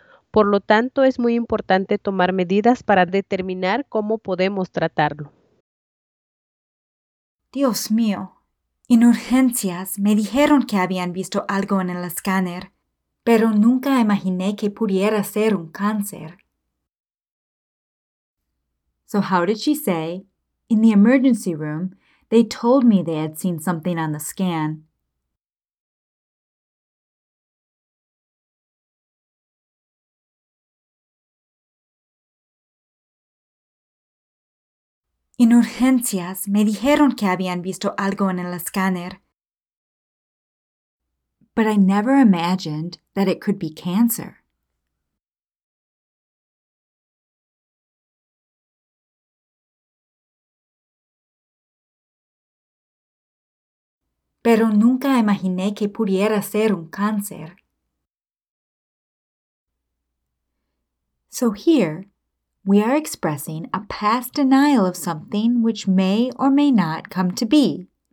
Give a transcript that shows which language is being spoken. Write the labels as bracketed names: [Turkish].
[Spanish] Por lo tanto, es muy importante tomar medidas para determinar cómo podemos tratarlo. Dios mío, en urgencias me dijeron que habían visto algo en el escáner, pero nunca imaginé que pudiera ser un cáncer. [English] So how did she say, in the emergency room, they told me they had seen something on the scan. [Spanish] En urgencias me dijeron que habían visto algo en el escáner. [English] But I never imagined that it could be cancer. [Spanish] Pero nunca imaginé que pudiera ser un cáncer. [English] So here, we are expressing a past denial of something which may or may not come to be.